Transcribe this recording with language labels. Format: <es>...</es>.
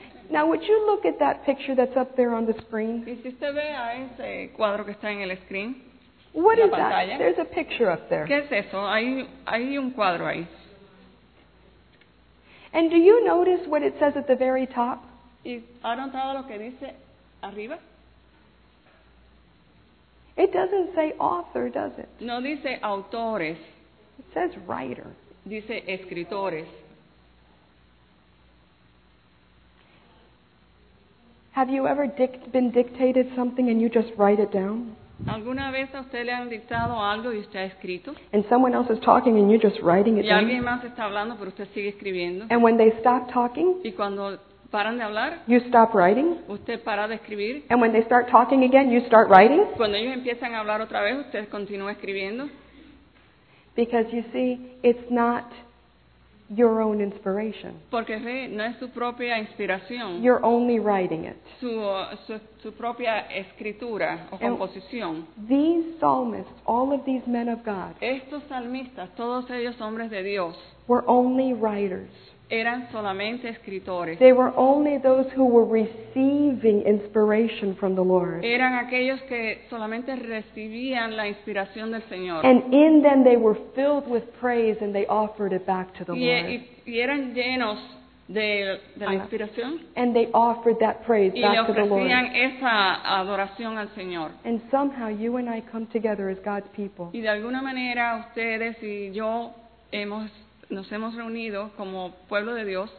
<en>Now, would you look at that picture that's up there on the screen?</en> <es>¿Y si usted ve a ese cuadro que está en el screen?</es> <en>What</en> <es>en</es> <en>is</en> <es>la pantalla?</es> <en>That? There's a picture up there.</en> <es>¿Qué es eso? Hay un cuadro ahí.</es> <en>And do you notice what it says at the very top?</en> <es>¿Y ha notado lo que dice arriba?</es> <en>It doesn't say author, does it?</en> <es>No dice autores.</es> <en>It says writer.</en> <es>Dice escritores.</es> <en>Have you ever been dictated something and you just write it down?</en> <es>¿Alguna vez a usted le han dictado algo y usted ha escrito?</es> <en>And someone else is talking and you're just writing it</en> <es>down. Y alguien más está hablando pero usted sigue escribiendo.</es> <en>And when they stop talking?</en> <es>Y cuando paran de hablar,</es> <en>you stop writing.</en> <es>Usted para de escribir.</es> <en>And when they start talking again, you start writing.</en> <es>Cuando ellos empiezan a hablar otra vez, usted continúa escribiendo.</es> <en>Because you see, it's not your own inspiration.</en> <es>Porque ve, no es su propia inspiración.</es> <en>You're only writing it.</en> <es>Su propia escritura o</es> <en>and</en> <es>composición.</es> <en>These psalmists, all of these men of God,</en> <es>estos salmistas, todos ellos hombres de Dios,</es> <en>were only writers.</en> <es>Eran solamente escritores.</es> <en>They were only those who were receiving inspiration from the Lord.</en> <es>Eran aquellos que solamente recibían la inspiración del Señor.</es> <en>And in them they were filled with praise and they offered it back to the Lord.</en> <es>Y eran llenos de la inspiración.</es> <en>And they offered that praise</en> <es>y</es> <en>back to the Lord.</en> <es>Y ofrecían esa adoración al Señor.</es> <en>And somehow you and I come together as God's people.</en> <es>Y de alguna manera ustedes y yo nos hemos reunido como pueblo de Dios</es>